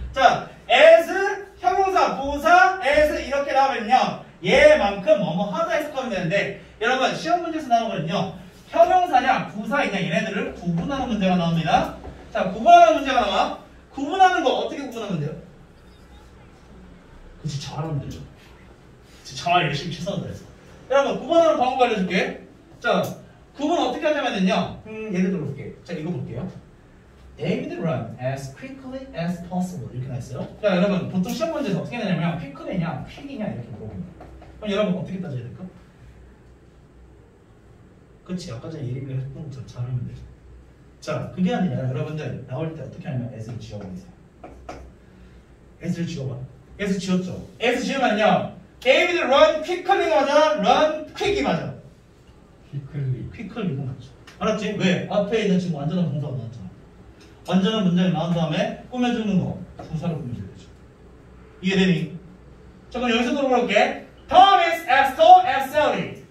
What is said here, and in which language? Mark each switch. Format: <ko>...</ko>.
<ko>자, as 형용사, 부사, as 이렇게 나오면요 얘만큼 뭐뭐하다 해석하면 되는데 여러분 시험 문제에서 나오는 거는요 형용사냐 부사냐 얘네들을 구분하는 문제가 나옵니다. 자, 구분하는 문제가 나와. 구분하는 거 어떻게 구분하면 돼요? 그치, 잘하면 되죠. 잘 열심히 최선을 다해서 여러분 구분하는 방법 알려줄게. 자, 구분 어떻게 하냐면요 예를 들어 볼게. 자, 이거 볼게요.</ko> <en>David run as quickly as possible</en> <ko>이렇게 나있어요. 자, 여러분 보통 시험 문제에서 어떻게 되냐면 quickly냐 quick이냐 이렇게 물어봅니다. 그럼 여러분 어떻게 따져야 될까? 그치, 아까 전에 예를 들어서 잘하면 되죠. 자, 그게 아니라 여러분들 나올 때 어떻게 하냐면 as를 지워버리세요. as를 지워봐. as 지웠죠.</ko> <en>as</en> <ko>지우면요</ko> <en>David run quickly</en> <ko>맞아? run quick이 맞아? quickly가 맞죠. 알았지? 왜? 앞에 있는 지금 완전한 동사가 나왔잖아. 완전한 문장이 나온 다음에 꾸며주는 거 부사로 꾸며줘야 되죠. 이해되니? 자, 그럼 여기서 돌아볼게.</ko> <en>Tom is as tall as Sally.</en>